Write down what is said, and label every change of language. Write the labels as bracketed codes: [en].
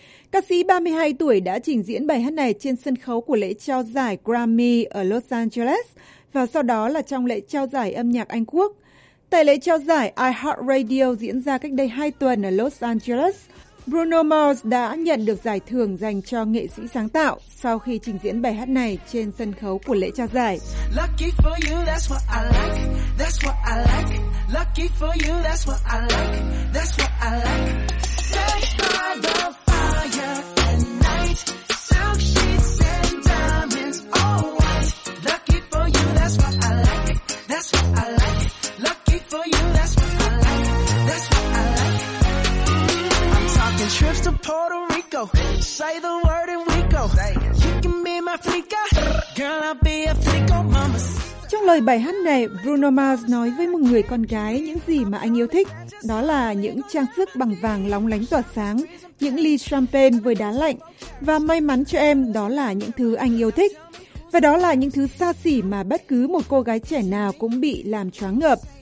[vi] Ca sĩ 32 tuổi đã trình diễn bài hát này trên sân khấu của lễ trao giải Grammy ở Los Angeles và sau đó là trong lễ trao giải âm nhạc Anh Quốc. Tại lễ trao giải iHeartRadio diễn ra cách đây 2 tuần ở Los Angeles, Bruno Mars đã nhận được giải thưởng dành cho nghệ sĩ sáng tạo sau khi trình diễn bài hát này trên sân khấu của lễ trao giải. [en] Lucky for you, that's what I like, that's what I like. Lucky for you, that's what I like, that's what I like. Search by the fire at night, silk sheets and diamonds all white. Lucky for you, that's what I like, that's what I like. Lucky for you, that's what I like, that's what I like. Trips to Puerto Rico, say the word and we go. You can be my freaka, girl, I'll be a freako mama. [vi] Trong lời bài hát này, Bruno Mars nói với một người con gái những gì mà anh yêu thích. Đó là những trang sức bằng vàng lóng lánh tỏa sáng, những ly champagne với đá lạnh. Và may mắn cho em, đó là những thứ anh yêu thích. Và đó là những thứ xa xỉ mà bất cứ một cô gái trẻ nào cũng bị làm choáng ngợp.